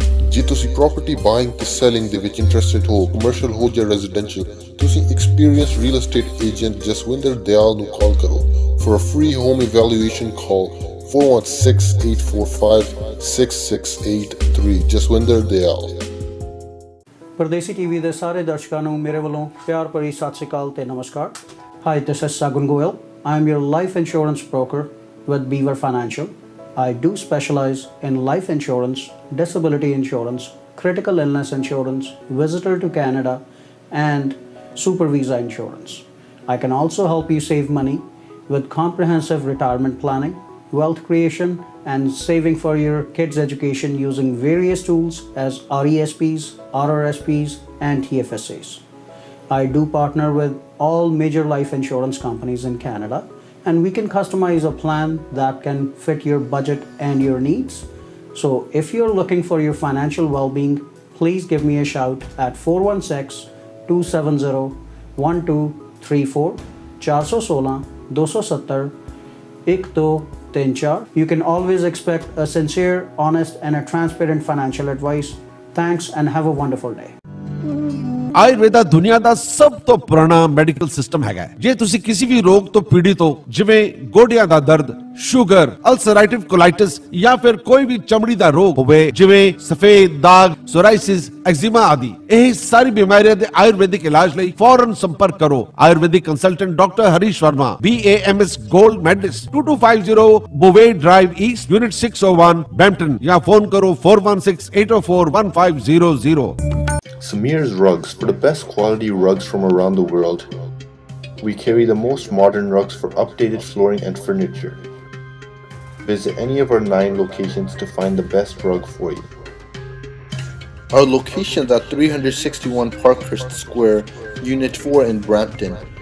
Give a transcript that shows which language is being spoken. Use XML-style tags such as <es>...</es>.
<pa>ਜੇ ਤੁਸੀਂ property buying ਤੇ ਸੈਲਿੰਗ ਦੇ ਵਿੱਚ ਇੰਟਰਸਟਿਡ ਹੋ, ਕਮਰਸ਼ੀਅਲ ਹੋ ਜਾਂ ਰੈਜ਼ੀਡੈਂਸ਼ੀਅਲ, ਤੁਸੀਂ experience real estate agent Jaswinder ਦਿਆਲ ਨੂੰ ਕਾਲ ਕਰੋ</pa> <en>for a free home evaluation</en> <pa>ਕਾਲ 416-845-6683 ਜਸਵਿੰਦਰ ਦਿਆਲ। ਪਰਦੇਸੀ ਟੀਵੀ ਦੇ ਸਾਰੇ ਦਰਸ਼ਕਾਂ ਨੂੰ ਮੇਰੇ ਵੱਲੋਂ ਪਿਆਰ ਭਰੀ ਸਤਿ ਸ਼੍ਰੀ ਅਕਾਲ ਤੇ ਨਮਸਕਾਰ।</pa> <en>Hi, this is Sagun Goel. I am your life insurance broker with Beaver Financial. I do specialize in life insurance, disability insurance, critical illness insurance, visitor to Canada, and super visa insurance. I can also help you save money with comprehensive retirement planning, wealth creation, and saving for your kids' education using various tools as RESPs, RRSPs, and TFSAs. I do partner with all major life insurance companies in Canada, and we can customize a plan that can fit your budget and your needs. So if you're looking for your financial well-being, please give me a shout at 416-270-1234-416-270-1234. You can always expect a sincere, honest, and a transparent financial advice. Thanks and have a wonderful day.</en> <pa>Ayurveda ਦੁਨੀਆ ਦਾ ਸਭ ਤੋਂ ਪੁਰਾਣਾ medical system ਹੈਗਾ। ਜੇ ਤੁਸੀਂ ਕਿਸੇ ਵੀ ਰੋਗ ਤੋਂ ਪੀੜਿਤ ਹੋ, ਜਿਵੇਂ ਗੋਡਿਆਂ ਦਾ ਦਰਦ, ਸ਼ੂਗਰ, ਅਲਸਰਾਈਟਿਵ ਕੋਲਾਈਟਿਸ, ਜਾਂ ਫਿਰ ਕੋਈ ਵੀ ਚਮੜੀ ਦਾ ਰੋਗ ਹੋਵੇ ਜਿਵੇਂ ਸਫੇਦ ਦਾਗ, ਸੋਰਾਇਸਿਸ, ਐਕਜ਼ੀਮਾ ਆਦਿ, ਇਹ ਸਾਰੀ ਬਿਮਾਰੀਆਂ ਦੇ ਆਯੁਰਵੇਦਿਕ ਇਲਾਜ ਲਈ ਫੌਰਨ ਸੰਪਰਕ ਕਰੋ Ayurvedic consultant doctor Harish Verma, BAMS gold ਮੈਡਿਕਸ, 2250 ਬੋਵੇ drive East, unit 601, ਬੈਂਪਟਨ, ਜਾਂ ਫੋਨ ਕਰੋ 416-804-1500।</pa> <en>Samir's Rugs, for the best quality rugs from around the world. We carry the most modern rugs for updated flooring and furniture. Visit any of our 9 locations to find the best rug for you. Our locations at 361 Parkhurst Square, Unit 4 in Brampton.</en>